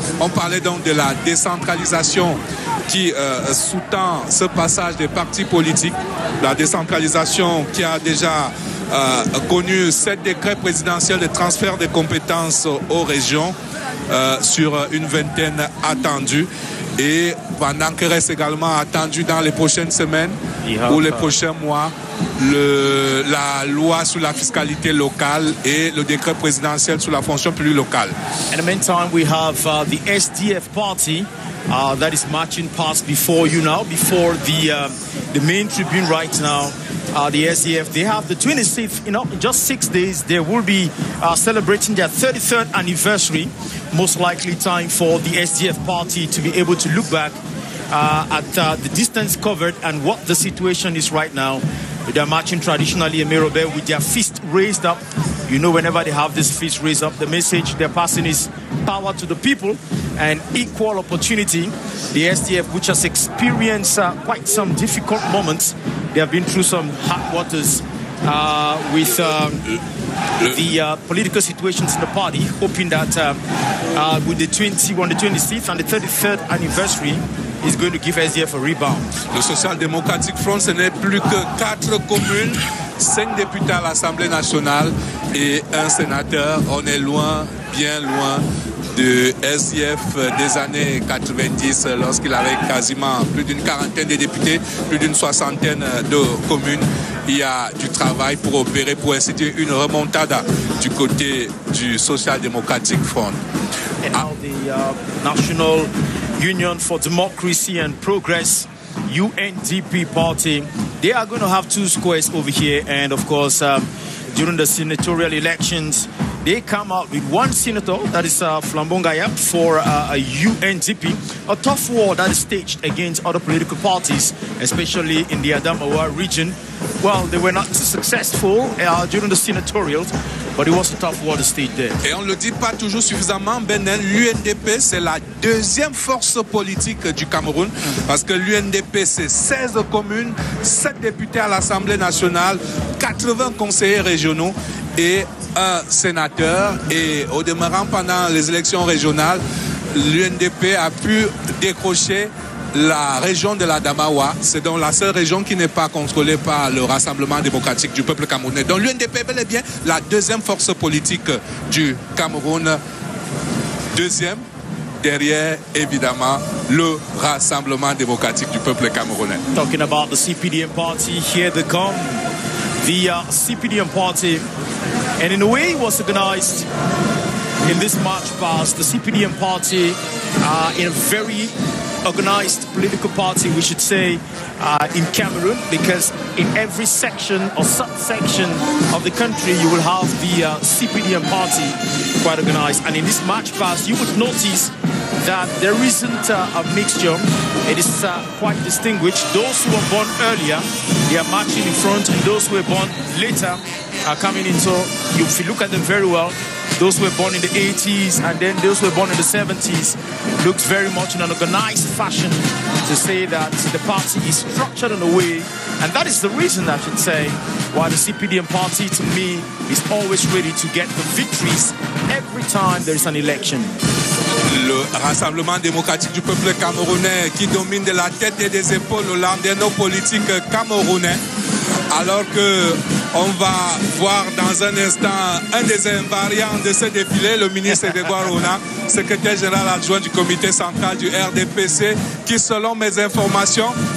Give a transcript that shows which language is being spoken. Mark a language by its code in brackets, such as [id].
[fr] On parlait donc de la décentralisation qui sous-tend ce passage des partis politiques, la décentralisation qui a déjà connu 7 décrets présidentiels de transfert des compétences aux régions sur une vingtaine attendues. Et pendant que reste également attendu dans les prochaines semaines ou les prochains mois, la loi sur la fiscalité locale et le décret présidentiel sur la fonction publique locale. [en] In the meantime, we have the SDF party that is marching past before you now, before the main tribune right now. The SDF, they have the 26th, you know, in just 6 days, they will be celebrating their 33rd anniversary. Most likely time for the SDF party to be able to look back at the distance covered and what the situation is right now. They are marching traditionally in Mirobe with their fist raised up. You know, whenever they have this fist raised up, the message they're passing is power to the people and equal opportunity. The SDF, which has experienced quite some difficult moments, they have been through some hot waters with the political situations in the party, hoping that with the 26th and the 33rd anniversary, is going to give SDF a rebound. [fr] Le Social Democratic Front, ce n'est plus que 4 communes, 5 députés à l'Assemblée nationale et un sénateur. On est loin, bien loin de SDF des années 90, lorsqu'il avait quasiment plus d'une quarantaine de députés, plus d'une soixantaine de communes. Il y a du travail pour opérer, pour inciter une remontada du côté du Social Democratic Front. [en] And now the National Union for Democracy and Progress, UNDP party, they are going to have 2 squares over here. And of course, during the senatorial elections, they come out with 1 senator, that is Flambo Ngaya, for a UNDP, a tough war that is staged against other political parties, especially in the Adamawa region. Well, they were not too successful during the senatorials, but it was a tough war to stage there. [fr] Et on le dit pas toujours suffisamment, Benin, l'UNDP, c'est la deuxième force politique du Cameroun, parce que l'UNDP, c'est 16 communes, 7 députés à l'Assemblée nationale, 80 conseillers régionaux et un sénateur. Et au demeurant, pendant les élections régionales, l'UNDP a pu décrocher la région de l'Adamawa. C'est donc la seule région qui n'est pas contrôlée par le Rassemblement démocratique du peuple camerounais. Donc l'UNDP est bel et bien la deuxième force politique du Cameroun, deuxième derrière évidemment le Rassemblement démocratique du peuple camerounais. [en] Talking about the CPDM party, here they come. The CPDM party, and in a way it was organized in this march past, the CPDM party in a very organized political party, we should say, in Cameroon, because in every section or subsection of the country, you will have the CPDM party quite organized. And in this march past, you would notice that there isn't a mixture. It is quite distinguished. Those who were born earlier, they are marching in front, and those who were born later are coming in. So if you look at them very well, those who were born in the 80s and then those who were born in the 70s looks very much in an organized fashion to say that the party is structured in a way, and that is the reason, I should say, why the CPDM party to me is always ready to get the victories every time there is an election. [fr] Le Rassemblement démocratique du peuple camerounais qui domine de la tête et des épaules le landerneau politique camerounais, alors que on va voir dans un instant un des invariants de ce défilé, le ministre Edouard Rona, secrétaire général adjoint du comité central du RDPC, qui, selon mes informations,